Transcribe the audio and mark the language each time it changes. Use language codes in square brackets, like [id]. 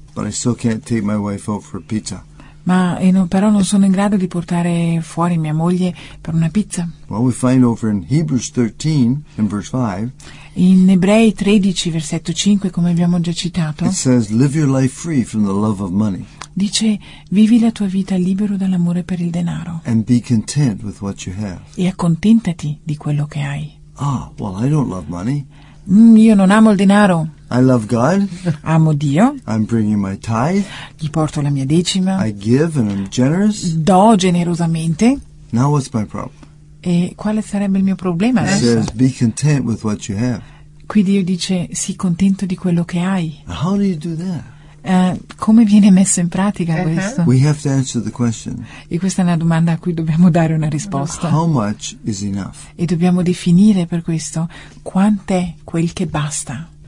[en] But I still can't take my wife out for pizza. [it] Però non sono in grado di portare fuori mia moglie per una pizza. [en] Well, we find over in Hebrews 13 in verse 5. [it] In Ebrei 13, versetto 5, come abbiamo già citato, [en] it says, live your life free from the love of money. [it] Dice, vivi la tua vita libero dall'amore per il denaro. [en] And be content with what you have. [it] E accontentati di quello che hai. [en] Ah, well, I don't love money. [it] Io non amo il denaro. [en] I love God. [it] Amo Dio. [en] I'm bringing my tithe. [it] Gli porto la mia decima. [en] I give and I'm generous. [it] Do generosamente. [en] Now what's my problem? [it] E quale sarebbe il mio problema adesso? [en] He says, be content with what you have. [it] Qui Dio dice, sii contento di quello che hai. [en] How do you do that? [it] Come viene messo in pratica questo? [en] We have to answer the question. [it] E questa è una domanda a cui dobbiamo dare una risposta. [en] How much is enough? [it] E dobbiamo definire per questo, quant'è quel che basta?